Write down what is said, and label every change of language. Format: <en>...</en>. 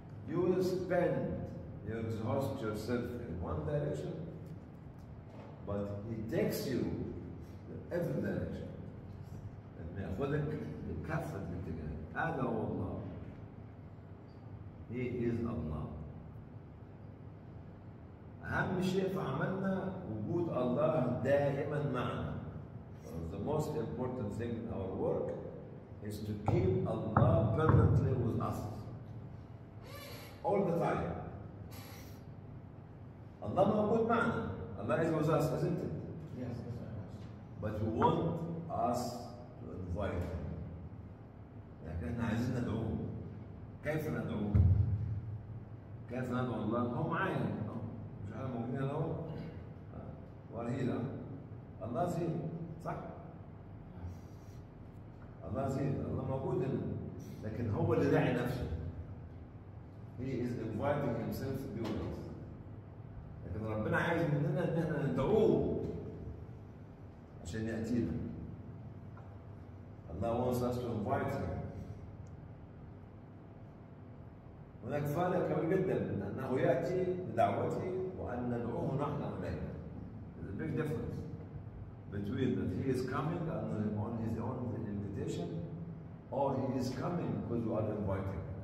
<en>You will spend, you exhaust yourself in one direction, but he takes you to every direction and may</en> <ar>يأخذك لكافة الاتجاهات. هذا هو الله.</ar> <en>He is Allah.</en> <ar>أهم شيء في عملنا وجود الله دائما معنا.</ar> <en>So the most important thing in our work is to keep Allah permanently with us all the time.</en> <ar>الله موجود معنا.</ar> <en>Allah is with us, isn't it? Yes. But you want us to invite him.</en> <ar>لكن احنا عايزين ندعوه. كيف ندعوه؟ كيف ندعو الله؟ هو معايا. مش احنا موجودين اهو. ورهيلا. الله زين. صح؟ الله زين. الله موجود هنا. لكن هو اللي داعي نفسه.</ar> <en>He is inviting himself to be with us.</en> <ar>لكن ربنا عايز مننا ان احنا ندعوه عشان ياتينا.</ar> <en>الله wants us to invite him.</en> <ar>هناك فرق كبير جدا من انه ياتي بدعوته وان ندعوه نحن اليه.</ar> <en>There's a big difference between that he is coming on his own invitation or he is coming because you are inviting.</en>